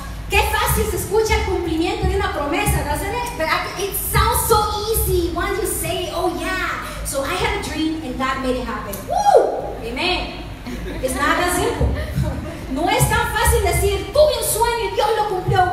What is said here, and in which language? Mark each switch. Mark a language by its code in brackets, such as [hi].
[es] Qué fácil se escucha el cumplimiento de una promesa, [en] doesn't it? But it sounds so easy once you say, oh yeah. So I had a dream and God made it happen. Woo! Amen. It's not that simple. [es] No es tan fácil decir, tuve un sueño y Dios lo cumplió.